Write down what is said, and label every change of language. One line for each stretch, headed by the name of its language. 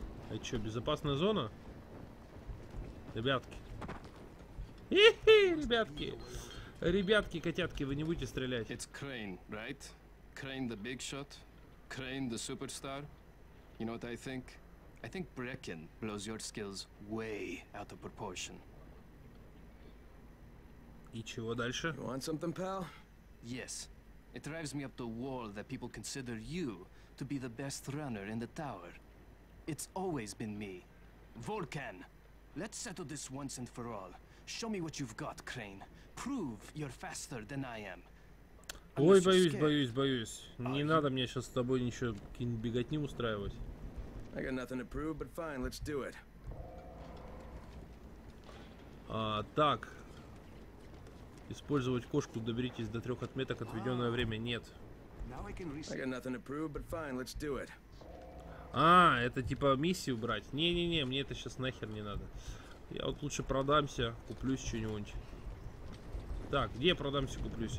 Russian: Это что, безопасная зона? Ребятки. Хи-хи, ребятки. Ребятки, котятки, вы не будете стрелять. Это Крейн, right?
English: Крейн the big shot. Крейн the superstar. You know what I think? I think Brecken blows your skills way out of proportion.
Russian: И чего дальше?
English: You want something, pal? Yes. It drives me up the wall that people consider you to be the best runner in the tower. It's always been me. Volkan, let's settle this once and for all. Show me what you've got, Crane. Prove you're faster than I am.
Russian: Ой, боюсь. Не надо мне сейчас с тобой ничего какие-нибудь беготни устраивать.
English: I got nothing to prove, but fine, let's do it.
Russian: Так. Использовать кошку, доберитесь до трех отметок, отведенное время. Нет.
English: I got nothing to prove, but fine, let's do it.
Russian: А, это типа миссию брать? Не-не-не, мне это сейчас нахер не надо. Я вот лучше продамся, куплюсь что-нибудь. Так, где продамся, куплюсь?